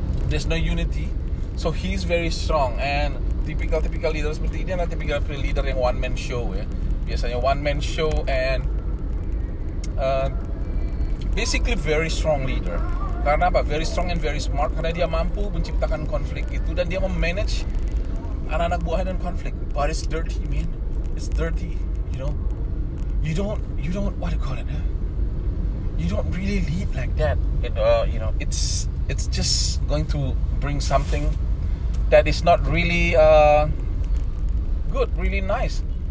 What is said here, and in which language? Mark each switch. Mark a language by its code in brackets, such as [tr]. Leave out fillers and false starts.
[en] There's no unity, so he's very strong. And typical leader [id] seperti ini adalah [en] typical leader yang one man show, [id] ya. Biasanya [en] one man show, and basically very strong leader. [id] Karena apa? [en] Very strong and very smart. [id] Karena dia mampu menciptakan konflik itu dan dia memanage anak-anak buahnya dan konflik. [en] But it's dirty, man. It's dirty, you know. You don't what do you call it? You don't really lead like that. You know, it's just going to bring something that is not really good, really nice.